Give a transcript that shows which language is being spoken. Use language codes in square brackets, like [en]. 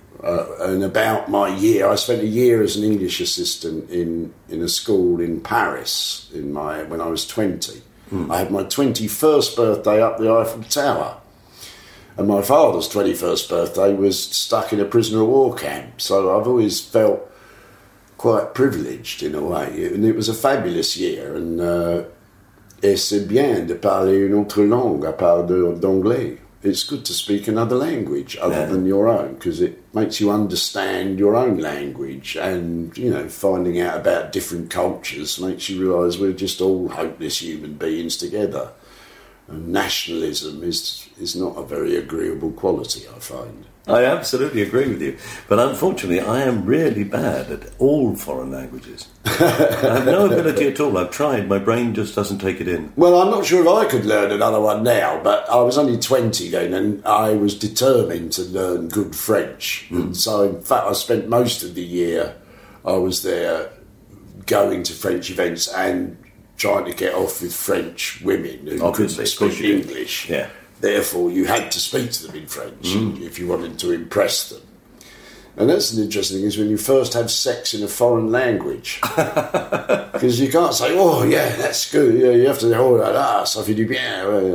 [en] And about my year, I spent a year as an English assistant in a school in Paris when I was 20. I had my 21st birthday up the Eiffel Tower. And my father's 21st birthday was stuck in a prisoner of war camp. So I've always felt quite privileged in a way. And it was a fabulous year. [fr] And c'est bien de parler une autre langue à part d'anglais. [en] it's good to speak another language other than your own, because it makes you understand your own language, and, you know, finding out about different cultures makes you realise we're just all hopeless human beings together. And nationalism is not a very agreeable quality, I find. I absolutely agree with you. But unfortunately, I am really bad at all foreign languages. I have no ability at all. I've tried. My brain just doesn't take it in. Well, I'm not sure if I could learn another one now, but I was only 20 then, and I was determined to learn good French. Mm. And so, in fact, I spent most of the year I was there going to French events and trying to get off with French women who couldn't speak English. Yeah. Therefore, you had to speak to them in French if you wanted to impress them. And that's an interesting thing, is when you first have sex in a foreign language. Because you can't say, oh, yeah, that's good. Yeah, you have to say, oh, ah, [fr] ça fait du bien.